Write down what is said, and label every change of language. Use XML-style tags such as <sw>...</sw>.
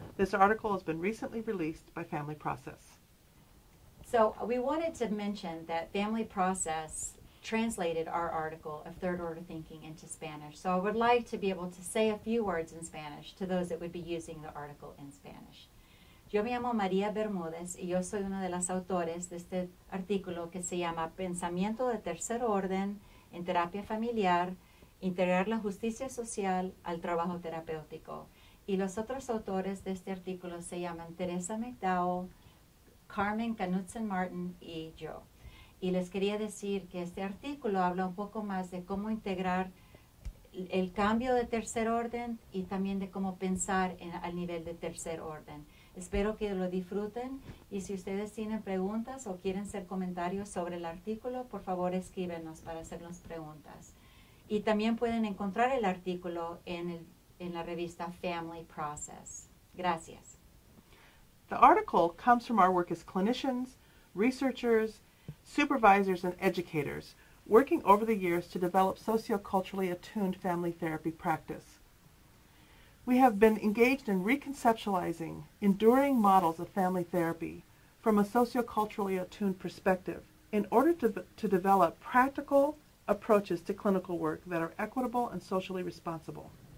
<en>This article has been recently released by Family Process. So we wanted to mention that Family Process translated our article of Third Order Thinking into Spanish. So I would like to be able to say a few words in Spanish to those that would be using the article in Spanish.</en> <es>Yo me llamo María Bermúdez y yo soy una de las autores de este artículo que se llama Pensamiento de Tercer Orden en Terapia Familiar, Integrar la Justicia Social al Trabajo Terapéutico. Y los otros autores de este artículo se llaman Teresa McDowell, Carmen Knudson-Martin y yo. Y les quería decir que este artículo habla un poco más de cómo integrar el cambio de tercer orden y también de cómo pensar en, al nivel de tercer orden. Espero que lo disfruten y si ustedes tienen preguntas o quieren hacer comentarios sobre el artículo, por favor escríbenos para hacernos preguntas. Y también pueden encontrar el artículo en la revista Family Process. Gracias.</es> <en>The article comes from our work as clinicians, researchers, supervisors, and educators, working over the years to develop socio-culturally attuned family therapy practice. We have been engaged in reconceptualizing enduring models of family therapy from a socioculturally attuned perspective in order to develop practical approaches to clinical work that are equitable and socially responsible.</en>